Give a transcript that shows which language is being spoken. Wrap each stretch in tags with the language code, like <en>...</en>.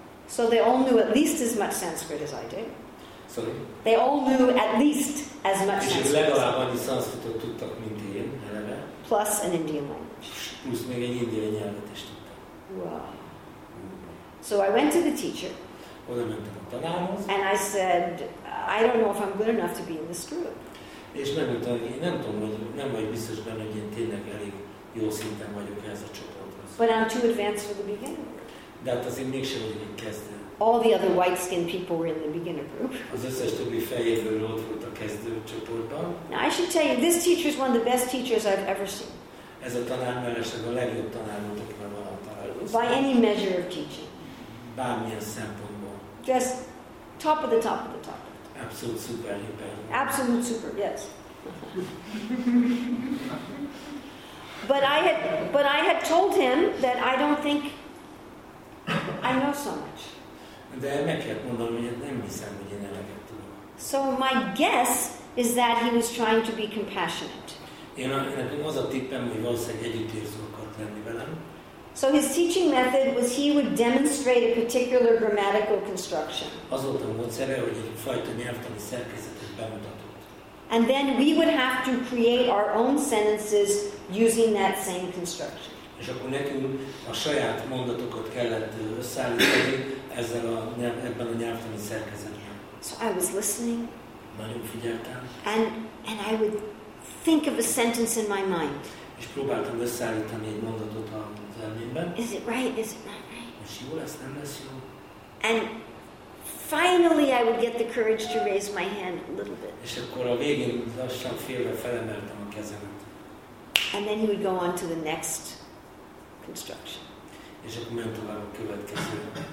<en>So they all knew at least as much Sanskrit as I did. They all knew at least as much Sanskrit as I did. Plus an Indian language. Wow. So I went to the teacher. And I said, I don't know if I'm good enough to be in this group.</en> <hu>És megmondtam, hogy nem tudom, hogy nem vagy biztos benne, hogy én tényleg elég jó szinten vagyok ehhez a csoporthoz.</hu> <en>But I'm too advanced for the beginner.</en> <hu>De hát azért mégsem vagyok egy kezdő.</hu> <en>All the other white-skinned people were in the beginner group.</en> <hu>Az összes többi fehérbőrű ott volt a kezdő csoportban.</hu> <en>Now I should tell you, this teacher is one of the best teachers I've ever seen.</en> <hu>Ez a tanár mellesleg a legjobb tanár volt, akivel valaha találkoztam.</hu> <en>By any measure of teaching.</en> <hu>Bármilyen szempontból.</hu> <en>Just top of the top of the top. Absolute super, hyper. Absolute super, yes. But I had told him that I don't think I know so much.</en> <hu>De meg kellett mondanom, hogy nem hiszem, hogy én eleget tudom.</hu> <en>So my guess is that he was trying to be compassionate.</en> <hu>Én nekem az a tippem, hogy valószínűleg együttérző akart lenni velem.</hu> <en>So his teaching method was he would demonstrate a particular grammatical construction.</en> <hu>Az volt a módszere, hogy egy fajta nyelvtani szerkezetet bemutatott.</hu> <en>And then we would have to create our own sentences using that same construction.</en> <hu>És akkor nekünk a saját mondatokat kellett összeállítani ebben a nyelvtani szerkezetben.</hu> <en>So I was listening.</en> <hu>Nagyon figyeltem.</hu> <en>And I would think of a sentence in my mind.</en> <hu>És próbáltam összeállítani egy mondatot az elmémben.</hu> <en>Is it right? Is it not right?</en> <hu>És jó lesz, nem lesz jó?</hu> <en>And finally I would get the courage to raise my hand a little bit.</en> <hu>És akkor a végén lassan félre felemeltem a kezemet.</hu> <en>And then he would go on to the next construction.</en> <hu>És akkor ment tovább a következő.</hu>